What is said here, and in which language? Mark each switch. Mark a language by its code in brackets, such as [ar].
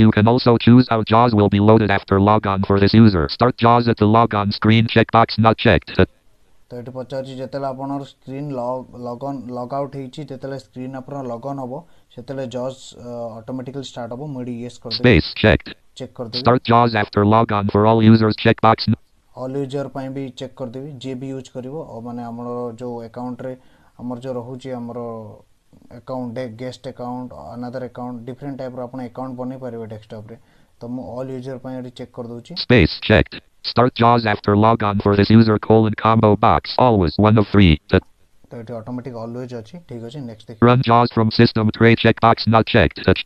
[en] You can also choose how JAWS will be loaded after logon for this user. Start JAWS at the logon screen, checkbox not checked. [or] ତ ଏଠି ପଚାରୁଛି ଯେତେବେଳେ ଆପଣଙ୍କର screen ଲଗନ୍ log out ହେଇଛି, ଯେତେବେଳେ screen ଆପଣ ଲଗନ୍ ହେବ ସେତେବେଳେ ଜଜ୍ ଅଟୋମେଟିକାଲି ଷ୍ଟାର୍ଟ ହେବ। ମୁଁ ଏଠି ୟେସ୍ କରିଦେବି, [en] Space checked. [or] ଚେକ୍ କରିଦେବି। [en] Start JAWS after logon for all users checkbox. [or] All user ପାଇଁ ବି ଚେକ୍ କରିଦେବି, ଯିଏ ବି ୟୁଜ୍ କରିବ, ମାନେ ଆମର ଯେଉଁ ଆକାଉଣ୍ଟରେ ଆମର ଯେଉଁ ରହୁଛି ଆମର account, guest account, ଅନାଦର account, different ଟାଇପ୍ର ଆପଣ ଆକାଉଣ୍ଟ ବନେଇ ପାରିବେ ଡେସ୍କଟପ୍ରେ। ତ ମୁଁ ଅଲ୍ ୟୁଜର୍ ପାଇଁ ଏଠି ଚେକ୍ କରିଦେଉଛି। [en] Space checked. Start JAWS after logon for this user colon combo box always one of three. [or] ତ ଏଠି ଅଟୋମେଟିକ୍ ଅଲୱେଜ୍ ଅଛି, ଠିକ୍ ଅଛି। ନେକ୍ସଟ ଦେଖିବା, [en] run JAWS from system tray checkbox not checked.